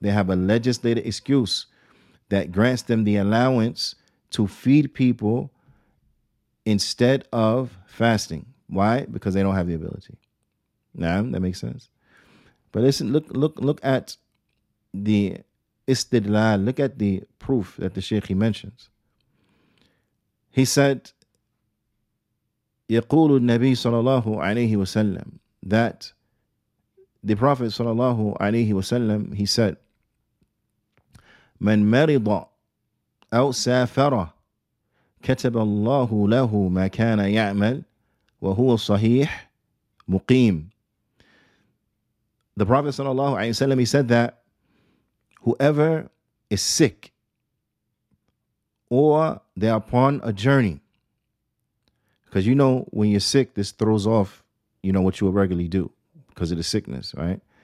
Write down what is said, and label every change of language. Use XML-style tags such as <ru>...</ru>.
<en>They have a legislated excuse that grants them the allowance to feed people instead of fasting. Why? Because they don't have the ability. Naam, that makes sense. But listen, look at the istidlal, look at the proof that the Sheikh, he mentions. He said,</en> <ar>يقول النبي صلى الله عليه وسلم,</ar> <en>that the Prophet</en> <ar>صلى الله عليه وسلم,</ar> <en>he said,</en> <ar>من مرض أو سافر كتب الله له ما كان يعمل وهو صحيح مقيم.</ar> <en>The Prophet sallallahu alaihi wasallam, he said that whoever is sick or they are upon a journey, because you know when you're sick, this throws off, you know, what you would regularly do because of the sickness, right?</en>